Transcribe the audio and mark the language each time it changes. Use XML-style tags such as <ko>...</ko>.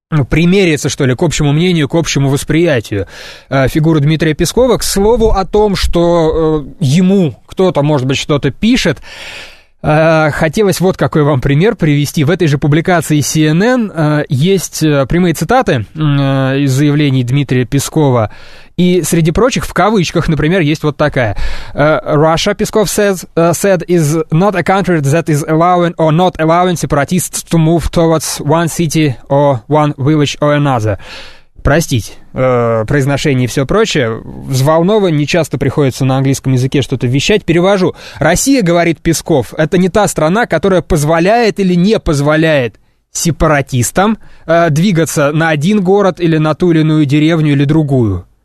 <ru>примериться, что ли, к общему мнению, к общему восприятию фигуры Дмитрия Пескова. К слову о том, что ему кто-то, может быть, что-то пишет, хотелось вот какой вам пример привести. В этой же публикации CNN есть прямые цитаты из заявлений Дмитрия Пескова. И среди прочих, в кавычках, например, есть вот такая.</ru> <en>Russia, Peskov says, said, is not a country that is allowing or not allowing separatists to move towards one city or one village or another.</en> <ru>Простите, произношение и все прочее. Взволнован, не часто приходится на английском языке что-то вещать. Перевожу. Россия, говорит Песков, это не та страна, которая позволяет или не позволяет сепаратистам двигаться на один город или на ту или иную деревню или другую.</ru>